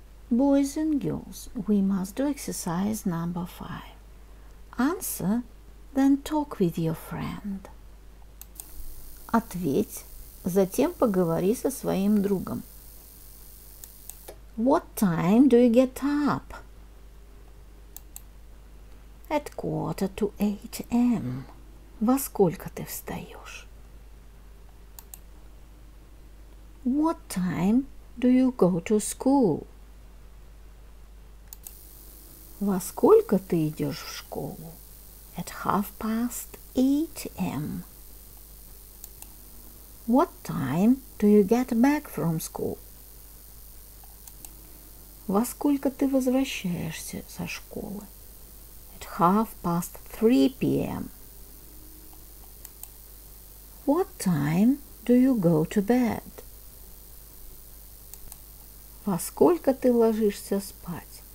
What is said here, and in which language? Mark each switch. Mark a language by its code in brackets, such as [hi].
[en] Boys and girls, we must do exercise number 5. Answer, then talk with your friend. [ru] Ответь, затем поговори со своим другом. [en] What time do you get up? At 7:45 a.m. [ru] Во сколько ты встаешь? [en] What time do you go to school? [ru] Во сколько ты идешь в школу? [en] At 8:30 a.m. What time do you get back from school? [ru] Во сколько ты возвращаешься со школы? [en] At 3:30 p.m. What time do you go to bed? [ru] Во сколько ты ложишься спать?